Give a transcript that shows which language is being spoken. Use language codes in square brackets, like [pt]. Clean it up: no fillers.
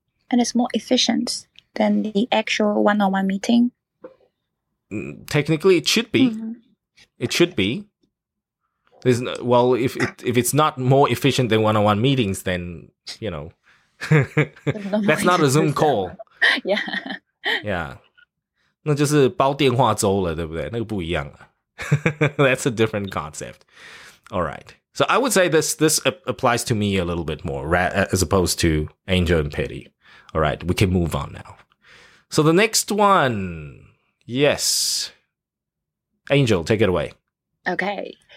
[en] And it's more efficient than the actual one-on-one meeting? Technically, it should be. Mm-hmm. It should be. There's no, well, if it's not more efficient than one-on-one meetings, then, you know, that's not a Zoom call. Yeah. Yeah. [zh] 那就是包电话粥了，对不对？那个不一样了。 [en] That's a different concept. All right. So I would say this applies to me a little bit more, as opposed to Angel and Petty. All right, we can move on now. So the next one, yes. Angel, take it away. Okay.